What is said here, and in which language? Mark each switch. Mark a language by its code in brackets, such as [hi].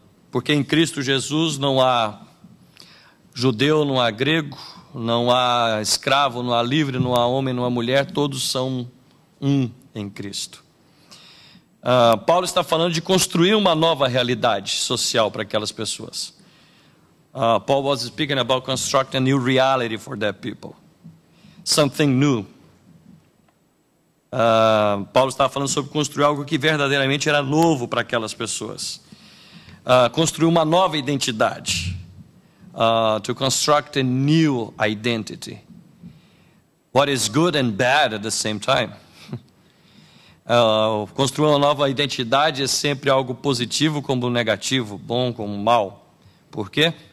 [pt] Porque em Cristo Jesus não há judeu, não há grego, não há escravo, não há livre, não há homem, não há mulher, todos são um em Cristo. Paulo está falando de construir uma nova realidade social para aquelas pessoas. [en] Paul was speaking about constructing a new reality for that people. something new. [pt] Paulo estava falando sobre construir algo que verdadeiramente era novo para aquelas pessoas. Construir uma nova identidade. [en] To construct a new identity. What is good and bad at the same time. [pt] Construir uma nova identidade é sempre algo positivo como negativo, bom como mal. Por quê?